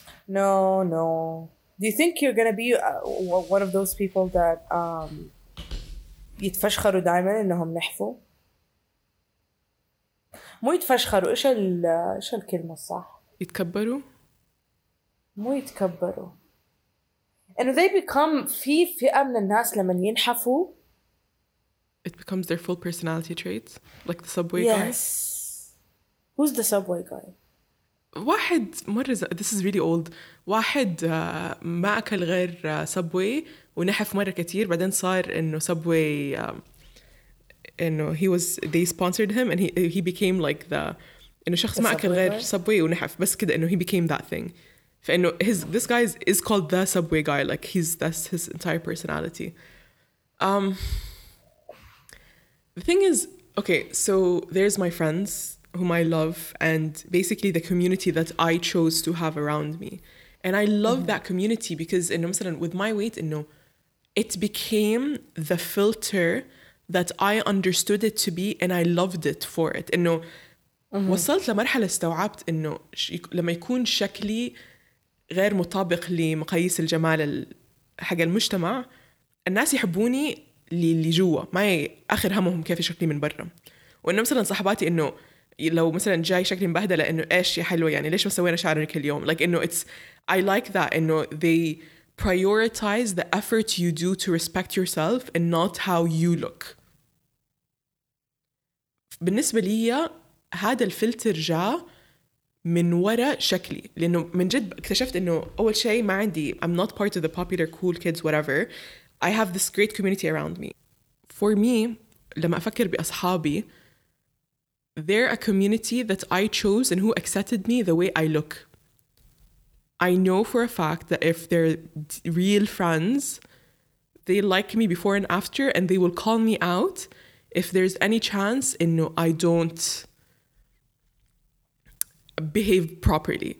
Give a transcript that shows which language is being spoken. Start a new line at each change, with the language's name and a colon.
English: no do you think you're gonna be one of those people that
Arabic: يتفشخروا دائما إنهم نحفوا مو يتفشخروا إيش الكلمة الصح يتكبروا مو يتكبروا
English: and they become
Arabic: في فئة من الناس لما ينحفوا
English: it becomes their full personality traits like the subway yes. guy yes who's the subway guy
Arabic: واحد مرة
English: this is really old
Arabic: واحد ما أكل غير
English: subway
Arabic: ونحف مرة كتير بعدين صار إنه
English: subway إنه he was they sponsored him and he became like the
Arabic: إنه شخص ما أكل غير
English: subway
Arabic: ونحف بس كده إنه
English: he became that thing
Arabic: فإنه
English: this guy is called the subway guy like he's that's his entire personality. The thing is Okay, so there's my friends whom I love, and basically the community that I chose to have around me. And I love that community because in
Arabic: مثلا,
English: with my weight, you know, it became the filter that I understood it to be, and I loved it for it. You know,
Arabic: وصلت لمرحلة استوعبت إنه لما يكون شكلي غير مطابق لمقاييس الجمال حق المجتمع الناس يحبوني للي جوا ما آخر همهم كيف شكلي من برا وإنه مثلا صاحباتي إنه لو مثلا جاي شكلي مبهدلة إنه إيش يا حلوة يعني ليش ما سوينا شعرك اليوم
English: like
Arabic: إنه
English: it's I like that
Arabic: إنه
English: they prioritize the effort you do to respect yourself and not how you look.
Arabic: بالنسبة لي هذا الفلتر جاء من وراء شكلي لأنه من جد اكتشفت أنه أول شيء ما عندي
English: I'm not part of the popular cool kids whatever I have this great community around me. For me
Arabic: لما أفكر بأصحابي
English: they're a community that I chose and who accepted me the way I look. I know for a fact that if they're real friends they like me before and after and they will call me out if there's any chance
Arabic: أنه
English: I don't behave properly.